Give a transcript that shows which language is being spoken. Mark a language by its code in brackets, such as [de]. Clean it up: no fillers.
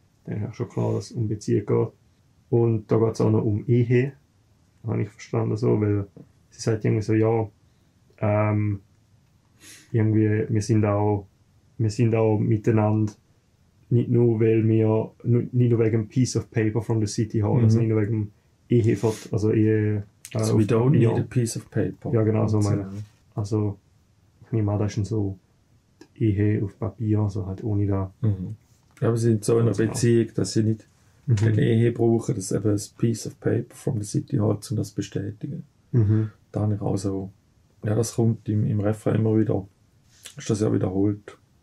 [de] Dann ist ja schon klar, dass es um Beziehung geht. Und da geht es auch noch um Ehe, habe ich verstanden, so, weil sie sagt irgendwie so, ja, irgendwie, wir sind auch miteinander, nicht nur wegen [en] Piece of Paper from the City Hall, [de] also nicht nur wegen Ehe, also Ehe. [en] So we don't need a piece of paper. [de] Ja, genau, so meine ich. Also, ich nehme an, das ist so die Ehe auf Papier, so halt ohne da. Mhm. Ja, wir sind so in einer Beziehung, dass sie nicht eine Ehe brauchen, das ist eben ein [en] Piece of Paper from the City Hall, [de] um das zu bestätigen. Mhm. Da habe ich auch so, ja, das kommt im Refrain immer wieder, ist das ja wiederholt.